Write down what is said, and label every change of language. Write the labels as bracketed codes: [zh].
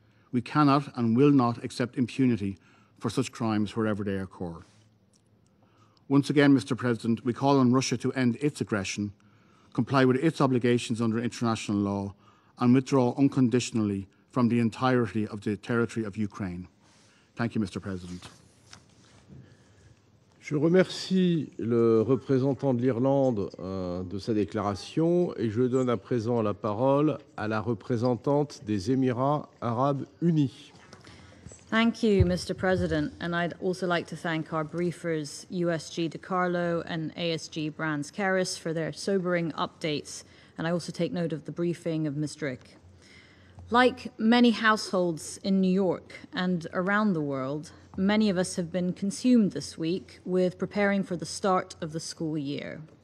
[en] We cannot and will not accept impunity for such crimes wherever they occur. Once again, Mr. President, we call on Russia to end its aggression, comply with its obligations under international law, and withdraw unconditionally from the entirety of the territory of Ukraine. Thank you, Mr. President. [fr] Je remercie le représentant de l'Irlande de sa déclaration et je donne à présent la parole à la représentante des Émirats Arabes Unis. [en] Thank you, Mr. President, and I'd also like to thank our briefers, USG DiCarlo and ASG Brands-Kerris, for their sobering updates, and I also take note of the briefing of Ms. Drick. Like many households in New York and around the world, many of us have been consumed this week with preparing for the start of the school year.